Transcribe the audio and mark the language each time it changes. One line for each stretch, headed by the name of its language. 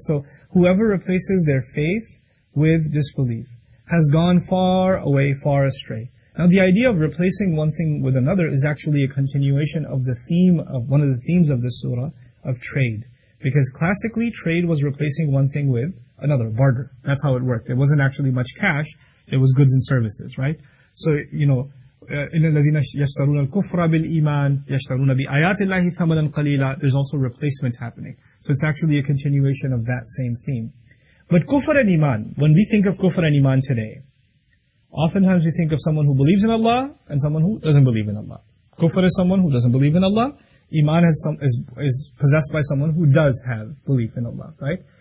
English: So whoever replaces their faith with disbelief has gone far away, far astray. Now the idea of replacing one thing with another is actually a continuation of the theme of one of the themes of this surah of trade. Because classically, trade was replacing one thing with another, barter. That's how it worked. It wasn't actually much cash. It was goods and services, right? So, you know,
Arabic: إِنَّ الَّذِينَ يَشْتَرُونَ الْكُفْرَ بِالْإِيمَانِ يَشْتَرُونَ بِآيَاتِ اللَّهِ ثَمَنًا قَلِيلًا.
English: There's also replacement happening. So it's actually a continuation of that same theme. But kufr and iman, when we think of kufr and iman today, oftentimes we think of someone who believes in Allah and someone who doesn't believe in Allah. Kufr is someone who doesn't believe in Allah. Iman is possessed by someone who does have belief in Allah, right?